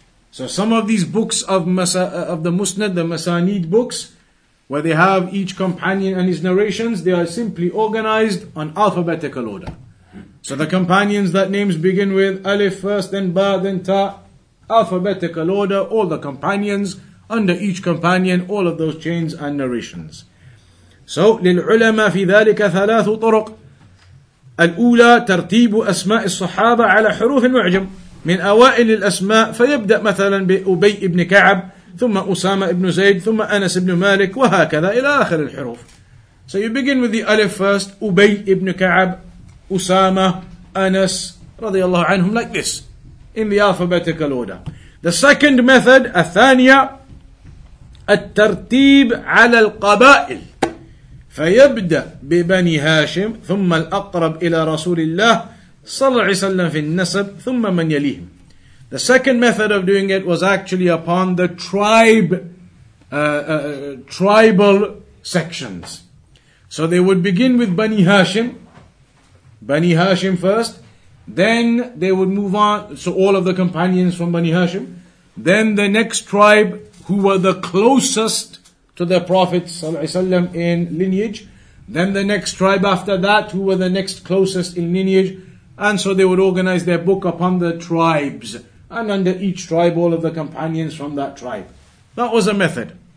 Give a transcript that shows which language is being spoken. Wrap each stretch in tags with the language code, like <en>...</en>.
<en>So some of these books of the Musnad, the Masanid books, where they have each companion and his narrations, they are simply organized on alphabetical order. So the companions that names begin with Alif first, then Ba, then Ta, alphabetical order, all the companions, under each companion, all of those chains and narrations.</en> <ar>So, للعلماء في ذلك ثلاث طرق. الأولى ترتيب أسماء الصحابة على حروف المعجم من أوائل الأسماء فيبدأ مثلا بأبي بن كعب ثم أسامة بن زيد ثم أنس بن مالك وهكذا إلى آخر الحروف.</ar> <en>So you begin with the alif first, أبي بن كعب, أسامة, أنس رضي الله عنهم, like this in the alphabetical order. The second method,</en> <ar>الثانية الترتيب على القبائل فيبدأ ببني هاشم ثم الأقرب إلى رسول الله صلى الله عليه وسلم في النسب ثم من يليهم.</ar> <en>The second method of doing it was actually upon the tribal sections. So they would begin with Bani Hashim first, then they would move on, so all of the companions from Bani Hashim, then the next tribe who were the closest to the Prophet ﷺ in lineage, then the next tribe after that, who were the next closest in lineage, and so they would organize their book upon the tribes, and under each tribe, all of the companions from that tribe. That was a method.</en>